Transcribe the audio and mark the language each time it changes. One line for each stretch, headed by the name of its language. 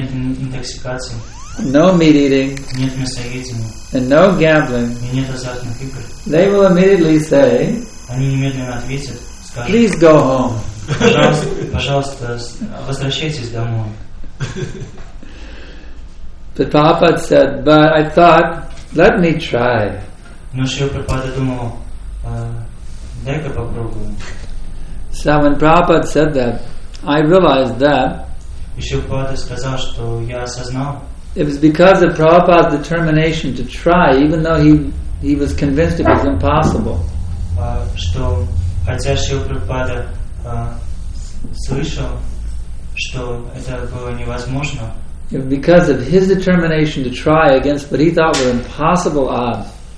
Russian: нет интоксикации,
English: no meat eating,
Russian: нет мясоедения,
English: and no gambling,
Russian: и нет азартных игр,
English: they will immediately say,
Russian: они немедленно ответят, скажут,
English: please go home,
Russian: пожалуйста, возвращайтесь домой.
English: But Prabhupada said, but I thought, let me try.
Russian: Но Шрила Прабхупада думал, дай-ка попробую.
English: So when Prabhupada said that, I realized that.
Russian: И Шрила Прабхупада сказал, что я осознал.
English: It was because of Prabhupada's determination to try, even though he was convinced it was impossible.
Russian: Что хотя Шрила Прабхупада слышал, что это было невозможно.
English: because of his determination to try against what he thought were impossible odds.